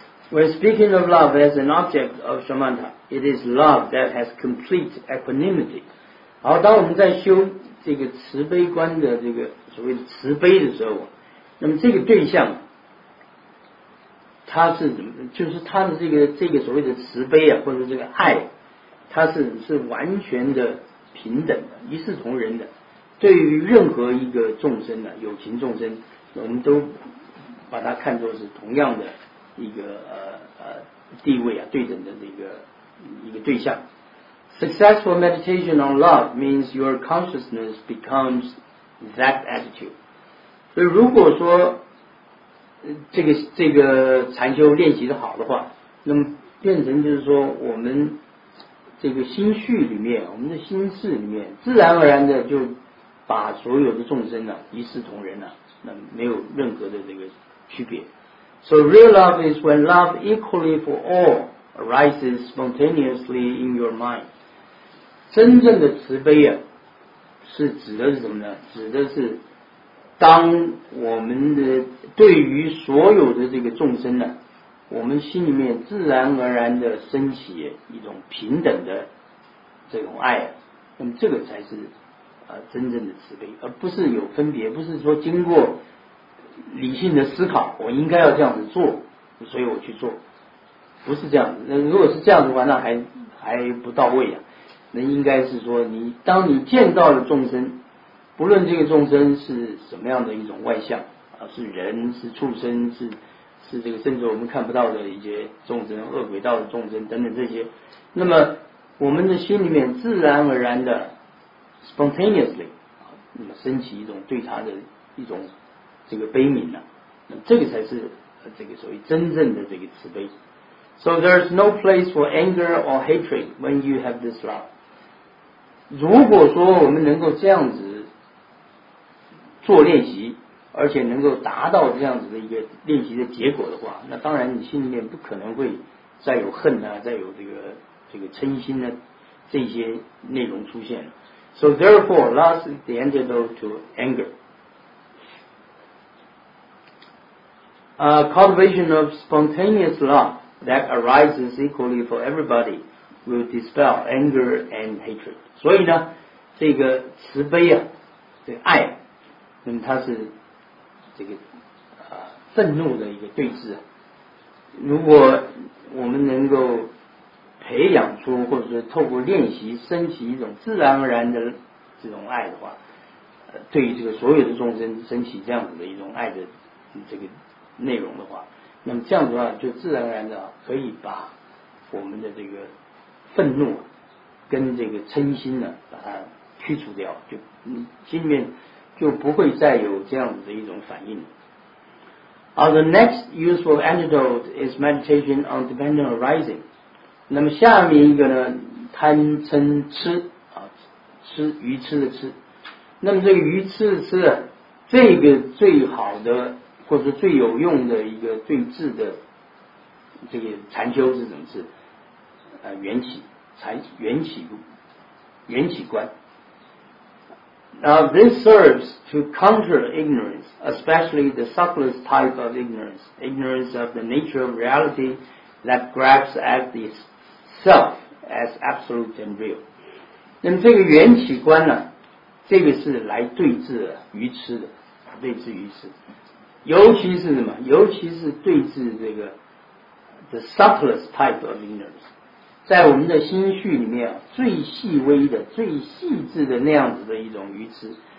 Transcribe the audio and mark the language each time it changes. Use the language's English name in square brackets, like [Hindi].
[English] When speaking of love as an object of shamatha, it is love that has complete equanimity. [Chinese] 好，当我们在修这个慈悲观的这个所谓的慈悲的时候，那么这个对象，它是怎么？就是它的这个所谓的慈悲啊，或者这个爱，它是完全的平等的，一视同仁的。对于任何一个众生呢，有情众生，我们都把它看作是同样的一个地位啊，对等的这个一个对象。 [English] Successful meditation on love means your consciousness becomes that attitude. [Chinese] 所以如果说这个禅修练习的好的话，那么变成就是说我们这个心绪里面，我们的心事里面，自然而然的就把所有的众生呢一视同仁了，那没有任何的这个区别。 [English] So real love is when love equally for all arises spontaneously in your mind. [Chinese] 真正的慈悲啊，是指的是什么呢？指的是当我们的对于所有的这个众生呢，我们心里面自然而然的升起一种平等的这种爱，那么这个才是真正的慈悲，而不是有分别，不是说经过理性的思考我应该要这样子做所以我去做，不是这样子。那如果是这样子的话，那还不到位啊。那应该是说，你当你见到了众生，不论这个众生是什么样的一种外相啊，是人，是畜生，是这个甚至我们看不到的一些众生，恶鬼道的众生等等这些，那么我们的心里面自然而然的 spontaneously 啊，那么升起一种对他的一种这个悲悯了，那这个才是这个所谓真正的这个慈悲。 [English] So there is no place for anger or hatred when you have this love. [Chinese] 如果说我们能够这样子做练习，而且能够达到这样子的一个练习的结果的话，那当然你心里面不可能会再有恨啊，再有这个嗔心啊，这些内容出现了。 [English] So therefore, love is the antidote to anger. Cultivation of spontaneous love. That arises equally for everybody will dispel anger and hatred. [Chinese] 所以呢，这个慈悲啊，这个爱，那么它是这个愤怒的一个对峙啊。如果我们能够培养出，或者是透过练习升起一种自然而然的这种爱的话，对于这个所有的众生升起这样子的一种爱的这个内容的话。那么这样子的话，就自然而然的可以把我们的这个愤怒跟这个嗔心呢，把它驱除掉，就心里面就不会再有这样子的一种反应。 [English] The next useful antidote is meditation on dependent arising. [Chinese] 那么下面一个呢，贪嗔痴啊，痴愚痴的痴。那么这个愚痴的痴，这个最好的。或者最有用的一个最智的这个禅修是什么是缘起观。 [English] Now this serves to counter ignorance, especially the subtlest type of ignorance, ignorance of the nature of reality that grasps at the self as absolute and real. [Chinese] 那么这个缘起观呢，这个是来对峙愚痴的，对峙愚痴。尤其是什么？尤其是对峙这个 [English] the subtlest type of ignorance， [Chinese] 在我们的心绪里面最细微的、最细致的那样子的一种愚痴。